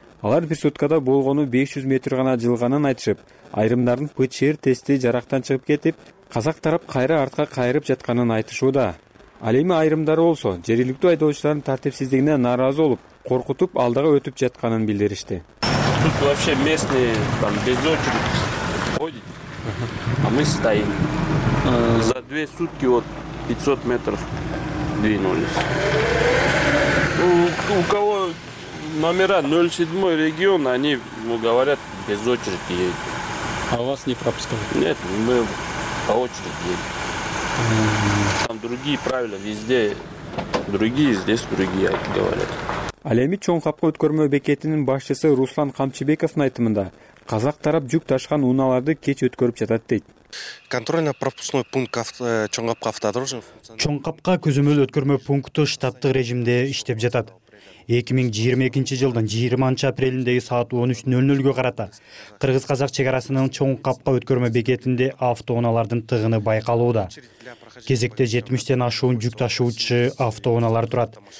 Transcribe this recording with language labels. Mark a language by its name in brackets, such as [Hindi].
[Kyrgyz] Алар бир суткада болгону 500 метр гана жылганын айтышып, айрымдардын ПЧР тести жарактан чыгып кетип, казак тарап кайра артка кайрып жатканын айтышууда. Ал эми айрымдары болсо жергиликтүү айдоочулардын тартипсиздигине нааразы болуп, коркутуп алдыга өтүп жатканын билдиришти. [Russian] Тут вообще местные там без очереди ходят. А мы стоим. За две сутки вот 500 метров двинулись. У кого номера 07 регион, они говорят без очереди едут. А вас не пропускают? Нет, мы по очереди едем. Там другие правила, везде другие, здесь другие, говорят. [Kyrgyz] Ал эми чоң капка өткөрмө бекетинин башчысы Руслан Камчыбековдун айтымында казак тарап жүк ташыган унааларды кеч өткөрүп жатат дейт. [Russian] Контрольно-пропускной пункт чоң капка автодорожный функционал. [Kyrgyz] Чоң капка көзөмөл өткөрмө пункту штаттык режимде иштеп жатат. 2022 жылдын 20 апрелиндеги саат 13:00 карата Кыргыз-Казак чек арасынын чоң капка өткөрмө бекетинде автоунаалардын тыгыны байкалууда. Кезекте 70 ашуун жүк ташуучу автоунаалар турат.